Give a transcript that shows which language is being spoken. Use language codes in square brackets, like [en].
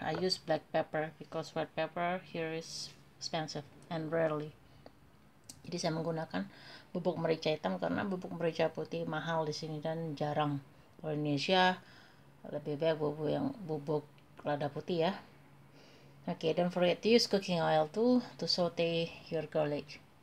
[en] I use black pepper because red pepper here is expensive and rarely. [id] Jadi saya menggunakan bubuk merica hitam karena bubuk merica putih mahal di sini dan jarang. Kalau Indonesia lebih baik bubuk yang bubuk lada putih ya. [en] Okay, don't forget to use cooking oil to saute your garlic.